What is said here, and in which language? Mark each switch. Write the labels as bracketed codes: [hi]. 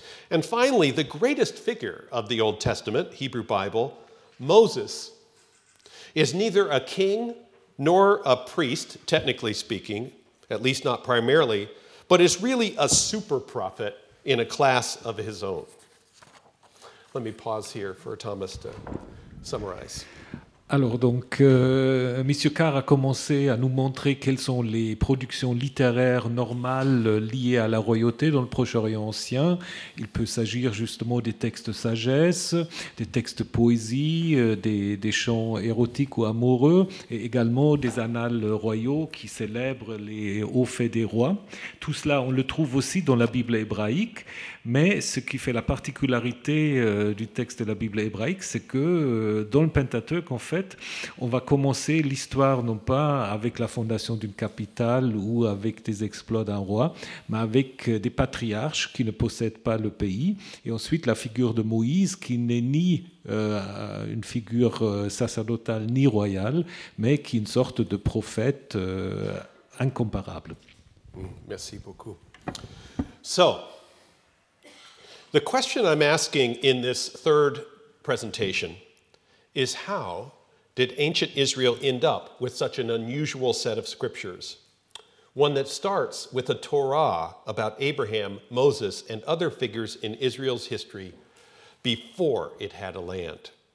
[en] And finally, the greatest figure of the Old Testament, Hebrew Bible, Moses, is neither a king nor a priest, technically speaking, at least not primarily, but is really a super prophet in a class of his own. Let me pause here for Thomas to summarize. [fr] Alors donc, Monsieur Carr a commencé à nous montrer quelles sont les productions littéraires normales liées à la royauté dans le Proche-Orient ancien. Il peut s'agir justement des textes sagesse, des textes poésie, des chants érotiques ou amoureux, et également des annales royaux qui célèbrent les hauts faits des rois. Tout cela, on le trouve aussi dans la Bible hébraïque. Mais ce qui fait la particularité du texte de la Bible hébraïque, c'est que dans le Pentateuque, en fait, on va commencer l'histoire non pas avec la fondation d'une capitale ou avec des exploits d'un roi, mais avec des patriarches qui ne possèdent pas le pays. Et ensuite, la figure de Moïse qui n'est ni une figure sacerdotale ni royale, mais qui est une sorte de prophète incomparable. Merci beaucoup. [en] The question I'm asking in this third presentation is, how did ancient Israel end up with such an unusual set of scriptures? One that starts with a Torah about Abraham, Moses, and other figures in Israel's history before it had a land.